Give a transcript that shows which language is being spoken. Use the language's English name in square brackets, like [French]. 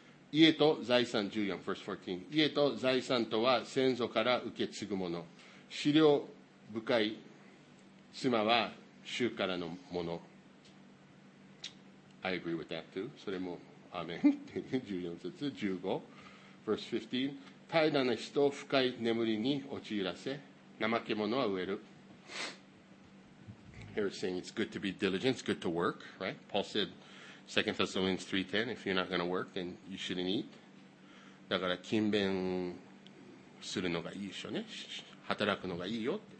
[Japanese] 家と財産、14 verse 14、家と財産とは先祖から受け継ぐもの、資料深い妻は主からのもの。 [English] I agree with that too. [Japanese] それもアーメン。 14節、15 verse 15、 怠惰な人を深い眠りに陥らせ、怠け者は飢える。 [English] Here is saying it's good to be diligent, it's good to work, right? Paul said 2 Thessalonians 3:10, if you're not going to work, then you shouldn't eat. [Japanese] だから勤勉するのがいいでしょうね、働くのがいいよって。